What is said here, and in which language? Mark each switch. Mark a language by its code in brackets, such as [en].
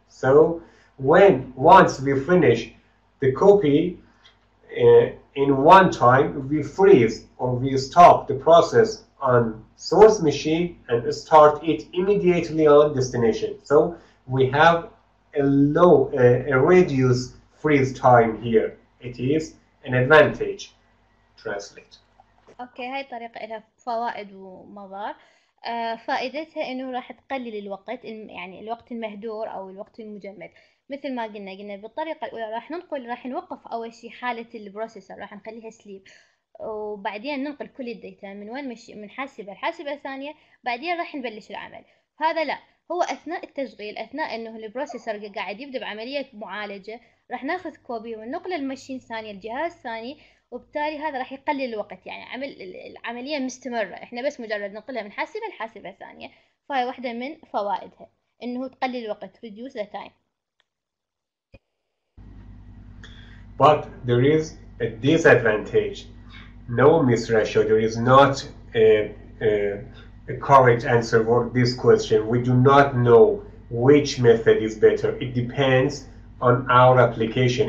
[en] So when once we finish the copy, in one time, we freeze or we stop the process on source machine and start it immediately on destination. So we have a low, a reduced freeze time here. It is an advantage. Translate. [ar] Okay, هاي الطريقة لها فوائد ومضار. فائدتها إنه راح تقلل الوقت، يعني الوقت المهدور أو الوقت المجمد. مثل ما قلنا بالطريقة الأولى راح ننقل، راح نوقف أول شيء حالة البروسيسور، راح نخليها سليب، وبعدين ننقل كل الديتا من وين مش من حاسبة لحاسبة ثانية، بعدين راح نبلش العمل. هذا لا، هو أثناء التشغيل، أثناء إنه البروسيسور قاعد يبدأ بعملية معالجة، راح ناخذ كوبي وننقل المشين ثانية الجهاز ثاني، وبالتالي هذا راح يقلل الوقت. يعني عمل العملية مستمرة، إحنا بس مجرد ننقلها من حاسبة لحاسبة ثانية. فهي واحدة من فوائدها إنه تقلل الوقت، [en] reduce the time. But there is a disadvantage. No, Ms. Rasha, there is not a correct answer for this question. We do not know which method is better. It depends on our application.